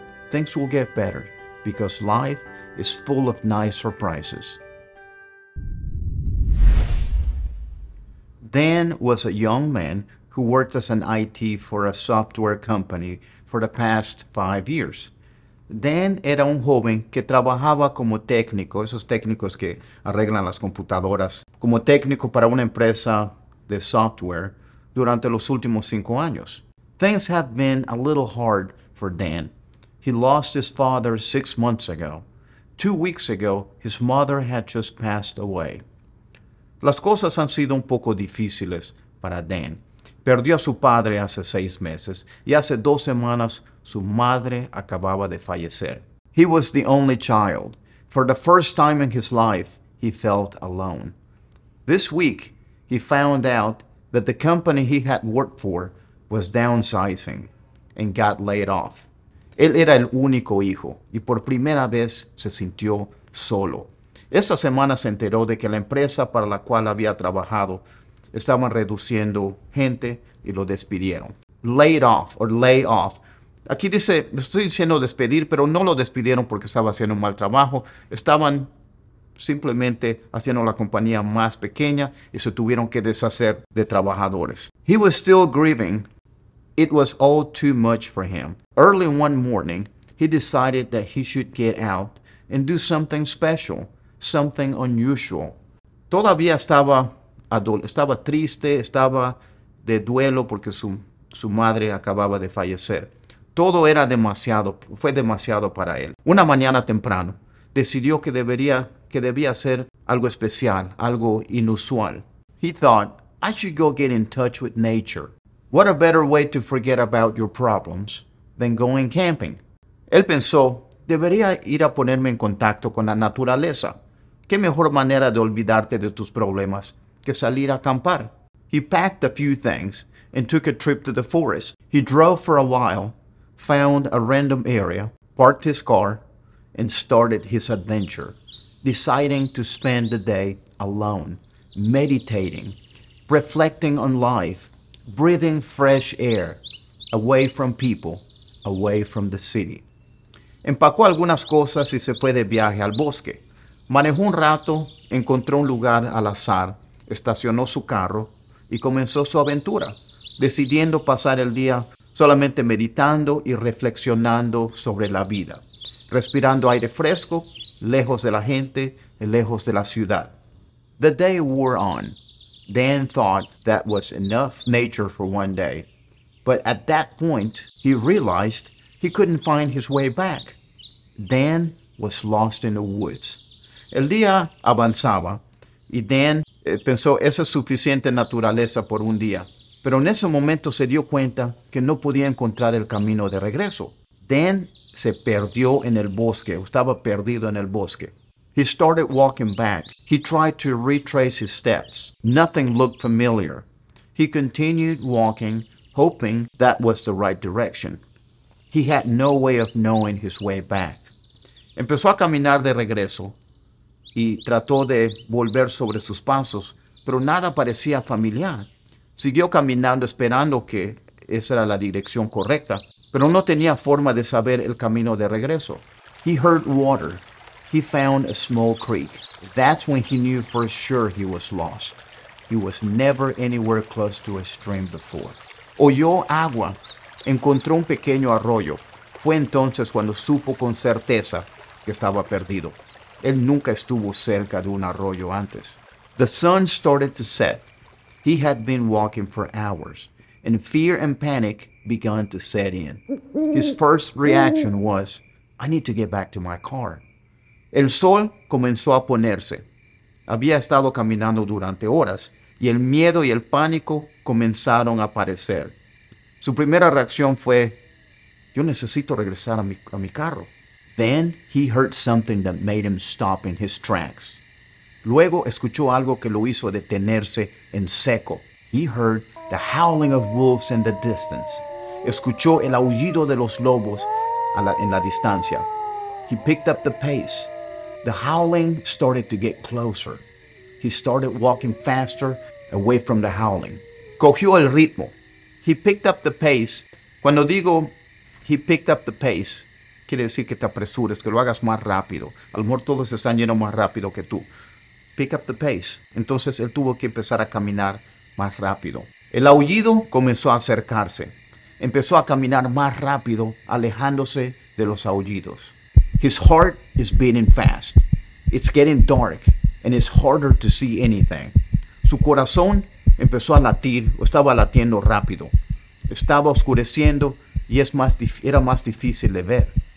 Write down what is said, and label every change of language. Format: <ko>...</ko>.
<en>Things will get better because life is full of nice surprises. Dan was a young man who worked as an IT for a software company for the past 5 years.</en> <es>Dan era un joven que trabajaba como técnico, esos técnicos que arreglan las computadoras, como técnico para una empresa de software durante los últimos 5 años.</es> <en>Things have been a little hard for Dan. He lost his father 6 months ago. 2 weeks ago, his mother had just passed away.</en> <es>Las cosas han sido un poco difíciles para Dan. Perdió a su padre hace 6 meses y hace 2 semanas su madre acababa de fallecer.</es> <en>He was the only child. For the first time in his life, he felt alone. This week, he found out that the company he had worked for was downsizing and got laid off.</en> <es>Él era el único hijo y por primera vez se sintió solo. Esta semana se enteró de que la empresa para la cual había trabajado estaban reduciendo gente y lo despidieron.</es> <en>Laid off or lay off.</en> <es>Aquí dice, estoy diciendo despedir, pero no lo despidieron porque estaba haciendo un mal trabajo. Estaban simplemente haciendo la compañía más pequeña y se tuvieron que deshacer de trabajadores.</es> <en>He was still grieving. It was all too much for him. Early one morning, he decided that he should get out and do something special, something unusual.</en> <es>Todavía estaba triste, estaba de duelo porque su madre acababa de fallecer. Todo era demasiado, fue demasiado para él. Una mañana temprano, decidió que debía hacer algo especial, algo inusual.</es> <en>He thought, I should go get in touch with nature. What a better way to forget about your problems than going camping.</en> <es>Él pensó, debería ir a ponerme en contacto con la naturaleza. ¿Qué mejor manera de olvidarte de tus problemas que salir a acampar?</es> <en>He packed a few things and took a trip to the forest. He drove for a while, found a random area, parked his car, and started his adventure, deciding to spend the day alone, meditating, reflecting on life, breathing fresh air, away from people, away from the city.</en> <es>Empacó algunas cosas y se fue de viaje al bosque. Manejó un rato, encontró un lugar al azar, estacionó su carro y comenzó su aventura, decidiendo pasar el día solamente meditando y reflexionando sobre la vida, respirando aire fresco, lejos de la gente, lejos de la ciudad.</es> <en>The day wore on. Dan thought that was enough nature for one day. But at that point, he realized he couldn't find his way back. Dan was lost in the woods.</en> <es>El día avanzaba y Dan pensó, esa es suficiente naturaleza por un día. Pero en ese momento se dio cuenta que no podía encontrar el camino de regreso. Dan se perdió en el bosque, estaba perdido en el bosque.</es> <en>He started walking back. He tried to retrace his steps. Nothing looked familiar. He continued walking, hoping that was the right direction. He had no way of knowing his way back.</en> <es>Empezó a caminar de regreso y trató de volver sobre sus pasos, pero nada parecía familiar. Siguió caminando esperando que esa era la dirección correcta, pero no tenía forma de saber el camino de regreso.</es> <en>He heard water. He found a small creek. That's when he knew for sure he was lost. He was never anywhere close to a stream before.</en> <es>Oyó agua. Encontró un pequeño arroyo. Fue entonces cuando supo con certeza que estaba perdido. Él nunca estuvo cerca de un arroyo antes.</es> <en>The sun started to set. He had been walking for hours, and fear and panic began to set in. His first reaction was, I need to get back to my car.</en> <es>El sol comenzó a ponerse. Había estado caminando durante horas, y el miedo y el pánico comenzaron a aparecer. Su primera reacción fue, yo necesito regresar a mi carro.</es> <en>Then he heard something that made him stop in his tracks.</en> <es>Luego escuchó algo que lo hizo detenerse en seco.</es> <en>He heard the howling of wolves in the distance.</en> <es>Escuchó el aullido de los lobos en la distancia.</es> <en>He picked up the pace. The howling started to get closer. He started walking faster away from the howling.</en> <es>Cogió el ritmo.</es> <en>He picked up the pace.</en> <es>Cuando digo</es> <en>he picked up the pace,</en> <es>quiere decir que te apresures, que lo hagas más rápido. A lo mejor todos están yendo más rápido que tú.</es> <en>Pick up the pace.</en> <es>Entonces él tuvo que empezar a caminar más rápido. El aullido comenzó a acercarse. Empezó a caminar más rápido, alejándose de los aullidos.</es> <en>His heart is beating fast. It's getting dark and it's harder to see anything.</en> <es>Su corazón empezó a latir o estaba latiendo rápido. Estaba oscureciendo y era más difícil de ver.</es>